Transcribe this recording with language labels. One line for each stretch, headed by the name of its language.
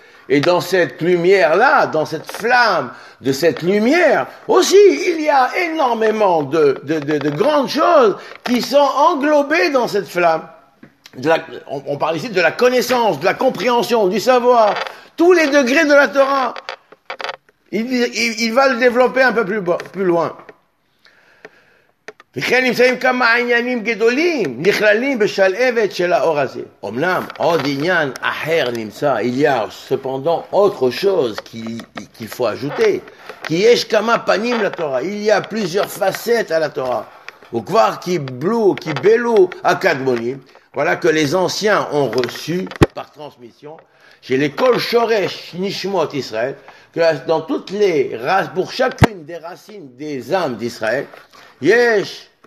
French: Et dans cette lumière-là, dans cette flamme de cette lumière, aussi, il y a énormément de grandes choses qui sont englobées dans cette flamme. On parle ici de la connaissance, de la compréhension, du savoir, tous les degrés de la Torah. Il va le développer un peu plus loin.
Hebrew: וכן נמצאים כמה עניינים גדולים נכללים בשלהבת של האור הזה. אומנם עוד עניין אחר נמצא,
French: il y a cependant autre chose qu'il faut ajouter,
Hebrew: כי יש כמה פנים לתורה,
French: il y a plusieurs facettes à la Torah,
Hebrew: וכבר קיבלו הקדמונים,
French: voilà que les anciens ont reçu par transmission, chez les Kol Shoresh Nishmot Israël, que dans toutes les races, pour chacune des racines des âmes d'Israël, Yesh